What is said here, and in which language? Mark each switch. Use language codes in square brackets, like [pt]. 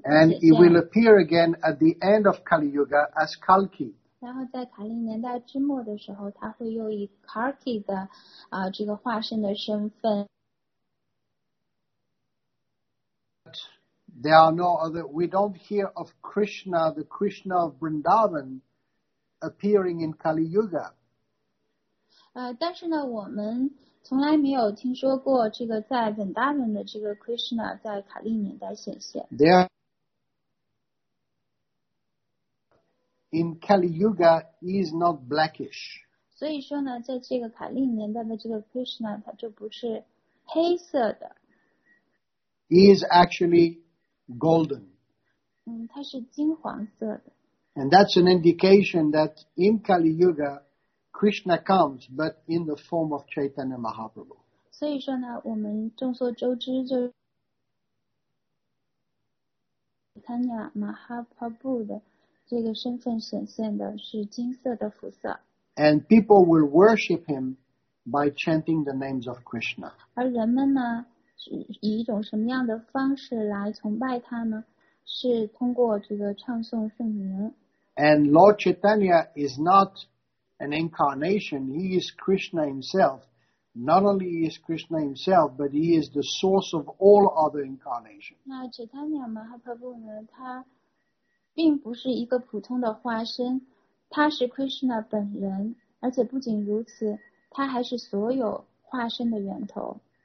[en] and he will appear again at the end of Kali Yuga as Kalki. [zh] 然后在卡利年代之末的时候，他会又以Kalki的这个化身的身份。 [en] There are no other, we don't hear of Krishna, the Krishna of Vrindavan, appearing in Kali Yuga. [zh] 但是呢，我们从来没有听说过这个在 Vrindavan 的这个 Krishna 在卡利年代显现。 [en] There in Kali Yuga is not blackish. [zh] 所以说呢，在这个卡利年代的这个 Krishna 它就不是黑色的。 [en] He is actually golden. [zh] 它是金黄色的。 [en] And that's an indication that in Kali Yuga, Krishna comes, but in the form of Chaitanya Mahaprabhu. [zh] 所以说呢，我们众所周知就是 Chaitanya Mahaprabhu 的这个身份显现的是金色的服色。 [en] And people will worship him by chanting the names of Krishna. [zh] 而人们呢，以一种什么样的方式来崇拜他呢？是通过这个唱诵圣名。 [en] And Lord Chaitanya is not an incarnation, he is Krishna himself. Not only is Krishna himself, but he is the source of all other incarnations. [zh] 那 Chaitanya Mahaprabhu 呢，他并不是一个普通的化身，他是 Krishna 本人，而且不仅如此，他还是所有化身的源头。